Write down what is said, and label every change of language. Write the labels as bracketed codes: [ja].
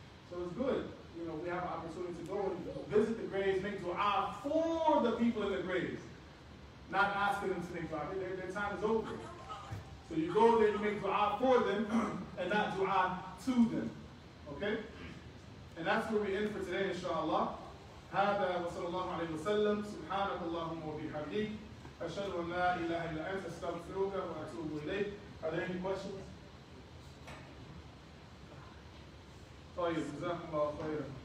[en] So it's good, you know, we have an opportunity to go and visit the graves, make dua for the people in the graves, not asking them to make dua. Their time is over. So you go there, you make dua for them, and not dua to them, okay? And that's where we end for today, inshallah. [ar] هذا وصلى الله عليه وسلم سبحانك اللهم وبحمدك أشهد أن لا إله إلا أنت أستغفرك وأتوب إليك. [en] Are there any questions? [ar] طيب جزاكم الله خيرا.